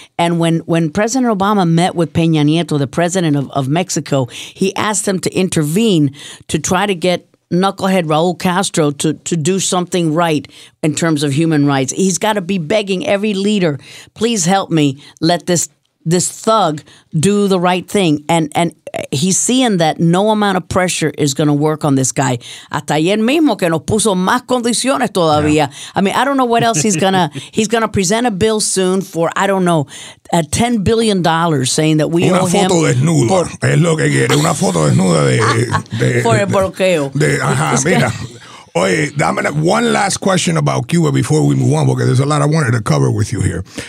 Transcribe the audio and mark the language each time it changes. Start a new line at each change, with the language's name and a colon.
English: And when President Obama met with Peña Nieto, the president of Mexico, he asked him to intervene to try to get knucklehead Raúl Castro to do something right in terms of human rights. He's got to be begging every leader, please help me, let this thug do the right thing. And he's seeing that no amount of pressure is going to work on this guy.
Spanish: Hasta ayer mismo que nos puso más condiciones todavía.
English: Yeah. I mean, I don't know what else he's going to present a bill soon for, I don't know, $10 billion saying that we
Spanish: una
English: owe him.
Spanish: Una foto desnuda. Es lo que quiere. Una foto desnuda de
English: for
Spanish: el bloqueo. Mira. Oye, dame
English: one last question about Cuba before we move on, because there's a lot I wanted to cover with you here.